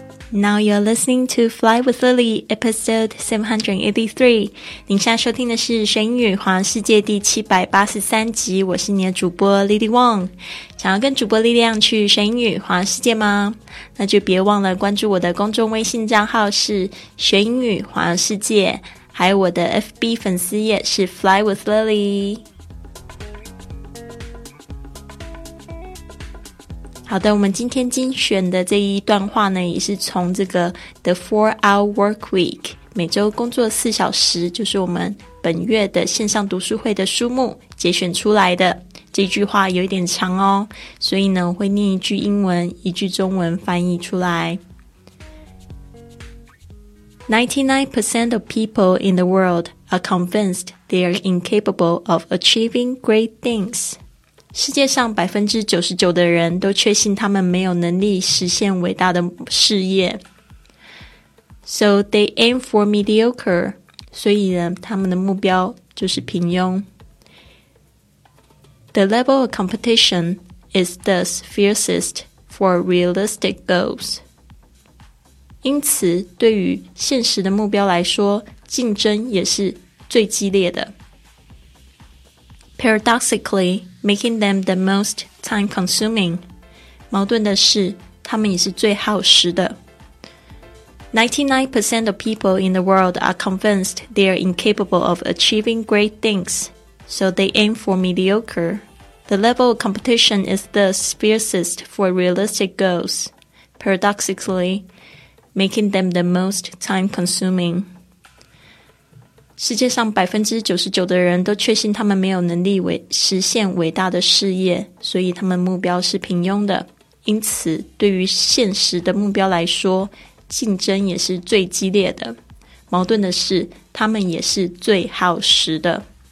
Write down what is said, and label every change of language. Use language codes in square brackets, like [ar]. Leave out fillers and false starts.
[en] Now you're listening to Fly with Lily, episode 783. [zh] 您现在收听的是《学英语环游世界》第783集，我是你的主播 Lily Wong。想要跟主播力量去学英语环游世界吗？那就别忘了关注我的公众微信账号是《学英语环游世界》，还有我的 FB 粉丝页是 Fly with Lily。好的，我们今天精选的这一段话呢，也是从这个 The 4-Hour Work Week 每周工作四小时，就是我们本月的线上读书会的书目节选出来的。这句话有一点长哦，所以呢，会念一句英文，一句中文翻译出来。 [en] 99% of people in the world are convinced they are incapable of achieving great things. [zh] 世界上 99% 的人都确信他们没有能力实现伟大的事业。 [en] So they aim for mediocre. [zh] 所以呢，他们的目标就是平庸。 [en] The level of competition is thus fiercest for realistic goals. [zh] 因此，对于现实的目标来说，竞争也是最激烈的。 [en] Paradoxically,making them the most time-consuming. [zh] 矛盾的是，他们也是最耗时的。 [en] 99% of people in the world are convinced they are incapable of achieving great things, so they aim for mediocre. The level of competition is thus fiercest for realistic goals, paradoxically, making them the most time-consuming. [zh] 世界上 99% 的人都确信他们没有能力实现伟大的事业，所以他们目标是平庸的。因此，对于现实的目标来说，竞争也是最激烈的。矛盾的是，他们也是最耗时的。